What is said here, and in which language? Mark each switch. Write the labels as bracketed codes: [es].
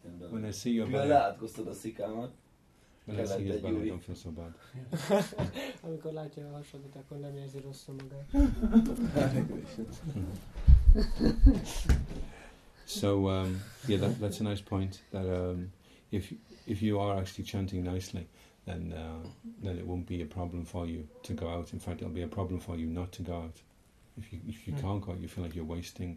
[en] When I see your belly, don't feel so bad. [hu] Amikor látja a hasadat, akkor nem érzi rosszul magát. [en] So that's a nice point, that if you are actually chanting nicely, then it won't be a problem for you to go out. In fact, it'll be a problem for you not to go out. If you can't go out, you feel like you're wasting.